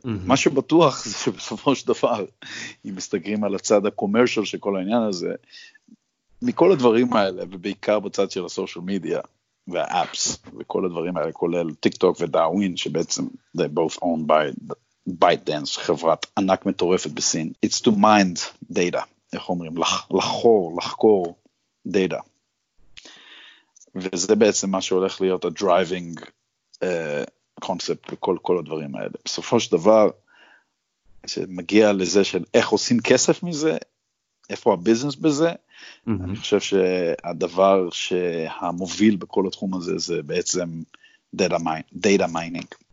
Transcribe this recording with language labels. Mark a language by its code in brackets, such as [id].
[he] מה שבטוח זה שבסופו של דבר, אם מסתגרים על הצד הקומרשל של כל העניין הזה, מכל הדברים האלה, ובעיקר בצד של הסושיאל מדיה והאפס, וכל הדברים האלה, כולל טיק טוק ודאווין, שבעצם [en] they both owned by ByteDance, [he] חברת ענק מטורפת בסין. [en] It's to mine data, [he] איך אומרים? לחקור data. וזה בעצם מה שהולך להיות הדרייבינג קונספט וכל הדברים האלה. בסופו של דבר, שמגיע לזה של איך עושים כסף מזה, איפה הביזנס בזה, אני חושב שהדבר שהמוביל בכל התחום הזה, זה בעצם data mining.